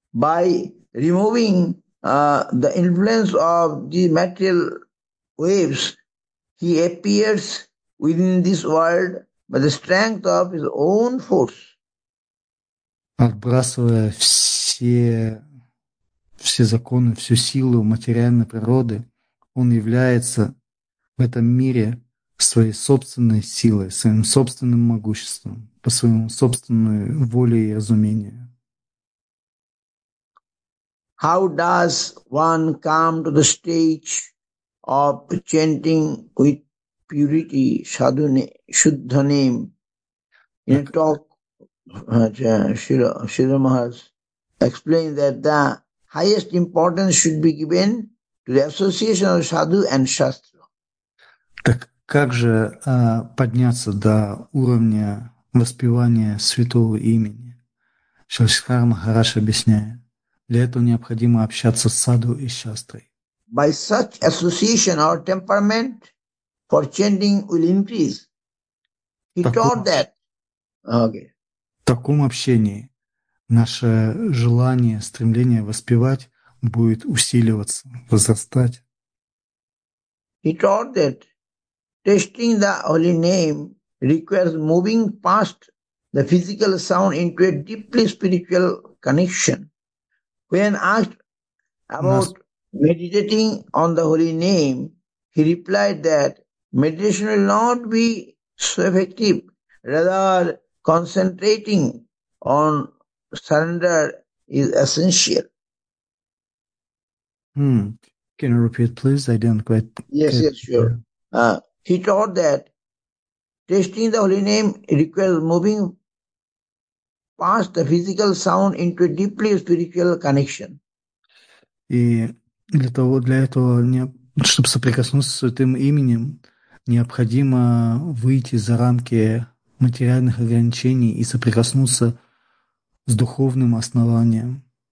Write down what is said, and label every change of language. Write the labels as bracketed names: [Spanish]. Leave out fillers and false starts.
[English] By removing the influence of the material waves, he appears within this world by the strength of his own force. [Russian] Отбрасывая все законы, всю силу материальной природы, он является в этом мире своей собственной силой, своим собственным могуществом, по своему собственной воле и разумению. [English] How does one come to the stage of chanting with purity, Shuddha name, in a talk, Shri Maharaj explained that the highest importance should be given to the association of sadhu and shastra. [Russian] Так как же подняться до уровня воспевания святого имени? Шришхар Махараш объясняет, для этого необходимо общаться с саду и шастрой. [English] By such association, our temperament for chanting will increase. He taught that. Okay. [Russian] В таком общении наше желание, стремление воспевать будет усиливаться, возрастать. [English] He taught that tasting the holy name requires moving past the physical sound into a deeply spiritual connection. When asked about meditating on the holy name, he replied that meditation will not be so effective, rather concentrating on surrender is essential. Can you repeat, please? I didn't quite Yes, catch sure. you. He taught that tasting the holy name requires moving past the physical sound into a deeply spiritual connection. [Russian] И для того, для этого, чтобы соприкоснуться с святым именем, необходимо выйти за рамки материальных ограничений и соприкоснуться с духовным основанием.